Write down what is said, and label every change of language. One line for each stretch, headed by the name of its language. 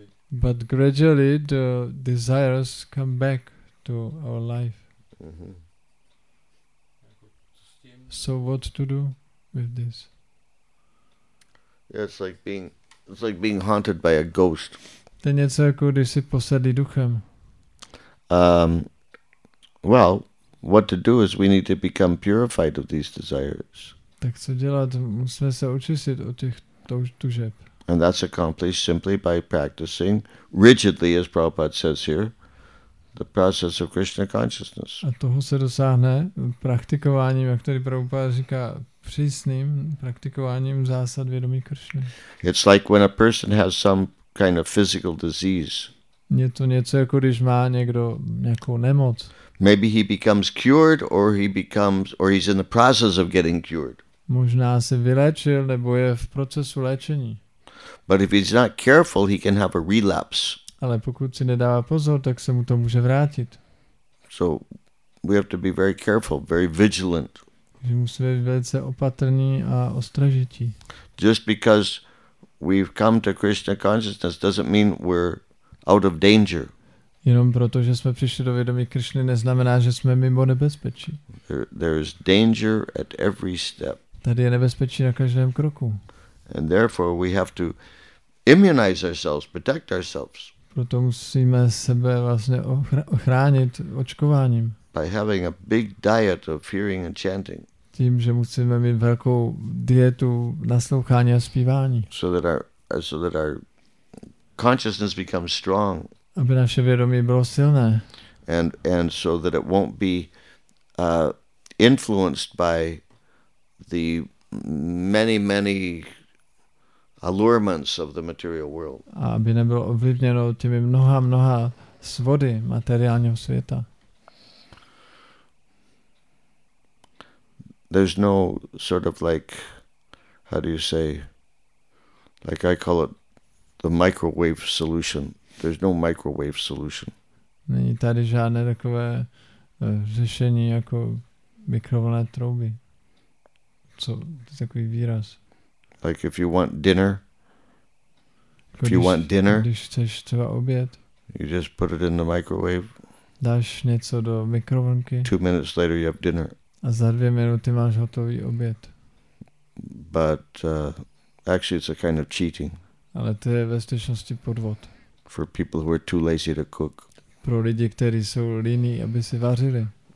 English: But gradually the desires come back to our life. Mm-hmm. So what to do with this? Yeah, it's like being haunted by a ghost.
Czech: To je něco, jako když jsi posedlý duchem.
English: Well, what to do is we need to become purified of these desires.
Czech: Tak co dělat? Musíme se očistit od těch tužeb.
English: And that's accomplished simply by practicing rigidly, as Prabhupada says here. The process of Krishna consciousness.
Czech: A toho se dosáhne praktikováním, jak tady Prabhupada říká, přísným praktikováním zásad vědomí Kršny.
English: It's like when a person has some kind of physical disease.
Czech: Je to něco, jako když má někdo nějakou nemoc.
English: Maybe he becomes cured or he's in the process of getting cured.
Czech: Možná se vyléčil nebo je v procesu léčení.
English: But if he's not careful, he can have a relapse.
Czech: Ale pokud si nedává pozor, tak se mu to může vrátit.
English: So we have to be very careful, very vigilant.
Czech: Že musíme být velice opatrní a ostražití.
English: Just because we've come to Krishna consciousness doesn't mean we're out of danger.
Czech: Jenom proto, že jsme přišli do vědomí Krišny, neznamená, že jsme mimo nebezpečí.
English: There is danger at every step.
Czech: Tady je nebezpečí na každém kroku.
English: And therefore we have to immunize ourselves, protect ourselves.
Czech: Proto musíme sebe vlastně ochránit očkováním.
English: By having a big diet of hearing and chanting.
Czech: Tím, že musíme mít velkou dietu naslouchání a zpívání.
English: So that our consciousness becomes strong.
Czech: Aby naše vědomí bylo silné.
English: And so that it won't be influenced by the many allurements of the material world.
Czech: Aby nebylo ovlivněno těmi mnoha svody materiálního světa.
English: There's no sort of like, how do you say, like I call it the microwave solution. There's no microwave solution.
Czech: Není tady žádné takové řešení jako mikrovlnné trouby. Co takový výraz?
English: Like if you want dinner,
Czech: když chceš třeba oběd,
English: you just put it in the microwave.
Czech: Dáš něco do mikrovlnky.
English: 2 minutes later you have dinner.
Czech: A za 2 minuty máš hotový oběd.
English: But actually it's a kind of cheating.
Czech: Ale to je ve skutečnosti podvod.
English: For people who are too lazy to cook.
Czech: Pro lidi, kteří jsou líní, aby si vařili.